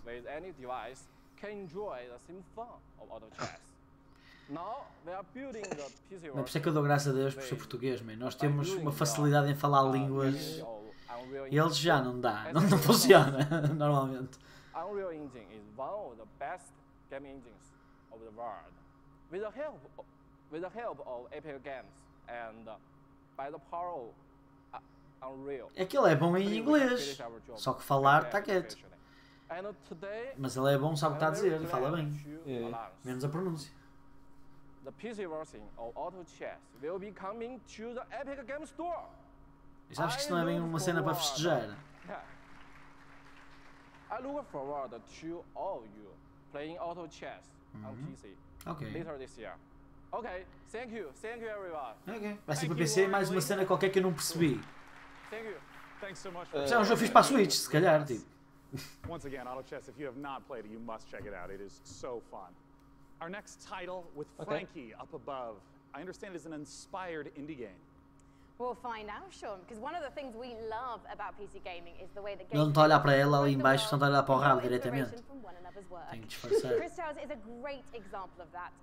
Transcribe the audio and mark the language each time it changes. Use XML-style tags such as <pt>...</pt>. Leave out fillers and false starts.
<en>With any device can enjoy the same fun of auto chess. Now we are building the PC world.</en> <pt>Mas por isso é que eu dou graças a Deus por ser português, man. Nós temos uma facilidade em falar línguas. E eles já não dá, não funciona normalmente.</pt> <en>Unreal Engine is one of the best game engines of the world. With the help of Epic Games and by the power of Unreal.</en> <pt>Aquilo é bom em inglês, só que falar está quieto.</pt> <en>And today,</en> <pt>mas ele é bom, sabe o que está a dizer, ele fala bem. Menos a pronúncia.</pt> <en>The PC version of Auto Chess will be coming to the Epic Games Store.</en> <pt>E sabes que isso não é bem uma cena para festejar?</pt> <en>I look forward to all of you playing auto chess on PC later this year. Okay, thank you everyone. Okay.</en> <pt>Vai ser para PC, mais uma cena qualquer que eu não percebi.</pt> <en>Thank you. Thanks so much.</en> <pt>Já é um jogo fixe para a Switch, se calhar, tipo.</pt> <en>Once again, auto chess, if you have not played it, you must check it out. It is so fun. Our next title with Frankie up above. I understand it is an inspired indie game. We'll find out, Sean, because one of the things we love about PC gaming is the way that</en> <pt>games... Não está a olhar para ela ali embaixo, só está a olhar para o rabo diretamente. Tenho que disfarçar.</pt> <en>Chris Towers is a great example of that.</en>